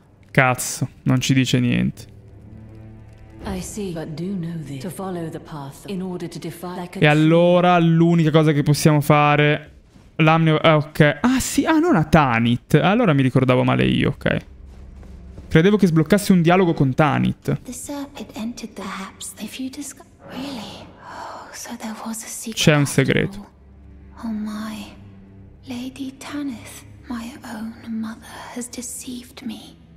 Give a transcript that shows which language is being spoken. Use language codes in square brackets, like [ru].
[it] Cazzo, non ci dice niente. [en] I see, but do know this. To follow the path in order to defy... [it] E allora l'unica cosa che possiamo fare... L'Amnio... ok. Ah sì, ah non a Tanith. Allora mi ricordavo male io, ok. Credevo che sbloccasse un dialogo con Tanith. [en] The serpent entered the haps. If you discover... Really? Oh, so there was a secret. [it] C'è un segreto. [en] Oh my. Lady Tanith, my own mother, has deceived me.